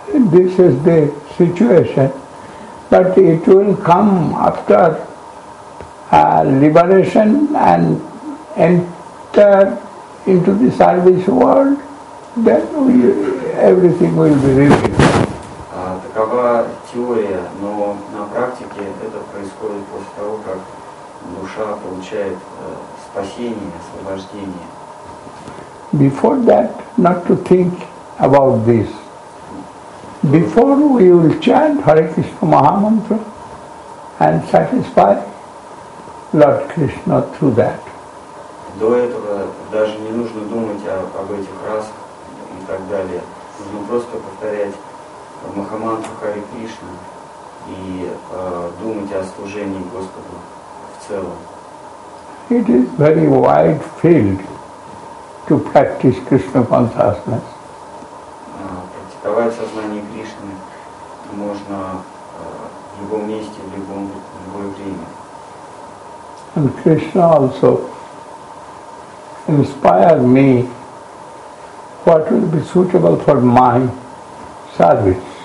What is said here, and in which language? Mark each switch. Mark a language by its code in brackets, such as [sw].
[en] This is the situation, but it will come after liberation and enter into the service world, then everything will be revealed. [ru] Такова теория, но на практике это происходит после того, как душа получает спасение, освобождение. [en] Before that, not to think about this. Before we will chant Hare Krishna Mahamantra and satisfy Lord Krishna through that. [ru] До этого даже не нужно думать об этих расах и так далее. Нужно просто повторять Махамантру Харе Кришна и думать о служении Господу в целом. [en] It is very wide field to practice Krishna consciousness. [ru] Давать сознание Кришны можно в любом месте, в любое время. [en] And Krishna also inspired me what will be suitable for my service.